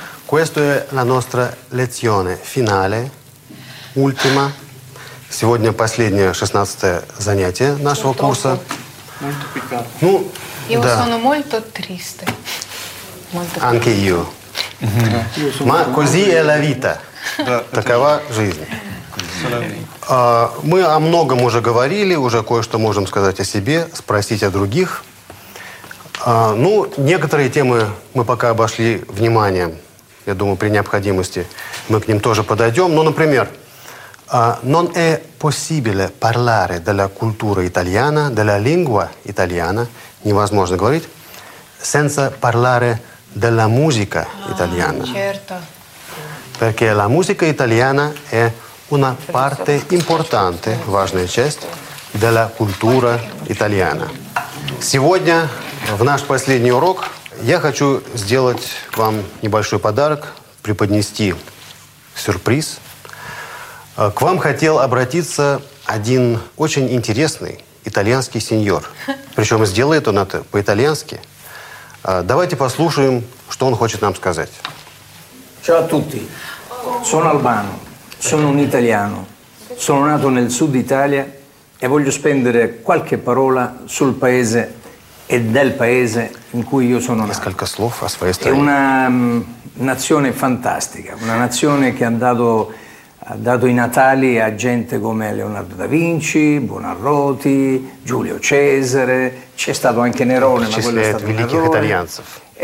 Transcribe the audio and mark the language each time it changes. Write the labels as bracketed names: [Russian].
[Italian] Questa è la nostra lezione finale, ultima. [Russian] Сегодня последнее, 16-е занятие нашего курса. [Italian] Molto piccato. Ну, io [Russian] да. [Italian] sono molto triste. Molto Anche io. Io sono Ma così è la vita. [Russian] Да, Такова жизнь. Мы о многом уже говорили, уже кое-что можем сказать о себе, спросить о других. Ну, некоторые темы мы пока обошли вниманием. Я думаю, при необходимости мы к ним тоже подойдем. Ну, например, [Italian] non è possibile parlare della cultura italiana, della lingua italiana, [Russian] невозможно говорить, [Italian] senza parlare della musica italiana. Certo. Perché la musica italiana è una parte importante, [Russian] важная часть, [Italian] della cultura italiana. [Russian] Сегодня, в наш последний урок, я хочу сделать вам небольшой подарок, преподнести сюрприз. К вам хотел обратиться один очень интересный итальянский сеньор. Причем сделает он это по-итальянски. Давайте послушаем, что он хочет нам сказать. [Italian] Ciao a tutti. Sono Albano. Sono un italiano, sono nato nel sud Italia e voglio spendere qualche parola sul paese e del paese in cui io sono nato. È una nazione fantastica, una nazione che ha dato i natali a gente come Leonardo da Vinci, Buonarroti, Giulio Cesare, c'è stato anche Nerone, ma quello è stato un errore.